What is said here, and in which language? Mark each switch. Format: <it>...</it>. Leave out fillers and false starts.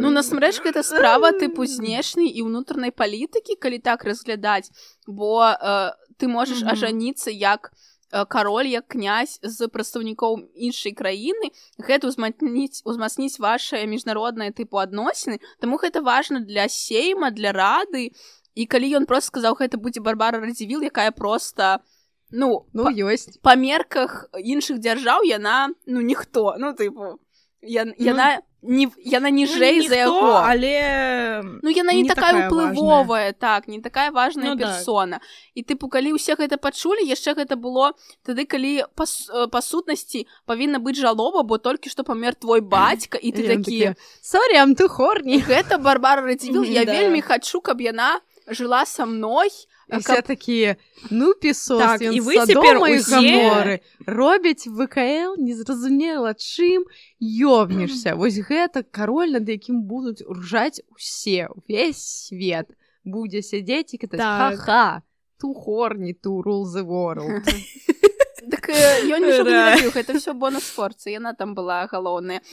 <be>Ну, насамрэч, гэта справа тыпу знешняй і ўнутранай палітыкі, калі так разглядаць, бо ты можаш ажаніцца як кароль, як князь з прадстаўнікоў іншай краіны, гэта ўзмацніць вашыя міжнародныя тыпу адносіны, таму гэта важна для сейма, для рады, і калі ён просто сказаў, гэта будзе Барбара Радзівіл, якая просто... Ну, ёсць. Па мерках іншых дзяржаў яна, ну, ніхто, ну, типу, яна ніжэй за яго. Ну, ніхто, але... Ну, яна не такая ўплывовая, так, не такая важная персона. І, типу, калі ўсе гэта пачулі, яшчэ гэта было тады, калі па сутнасці павінна быць жалоба, бо толькі што памер твой бацька, і ты такі...</be> <en>Sorry, I'm too horny.</en> <be>Гэта Барбара Радзівіл, я вельмі хачу, каб яна жыла са мной, І</be> <ru>все такие,</ru> <be>ну, пісос, так, ён з садома і гаморы. Робіць ВКЛ, незразумела, чым ёбнешся. Вось гэта кароль, над якім будуць ржаць усе, увесь свет. Будзе сядзець і кітаць, ха-ха,</be> <en>ту хорні, ту рул зе ворлд.</en> <be>Так ён нічога не рабіў, гэта ўсё бонус форцы, яна там была галоўная.</be>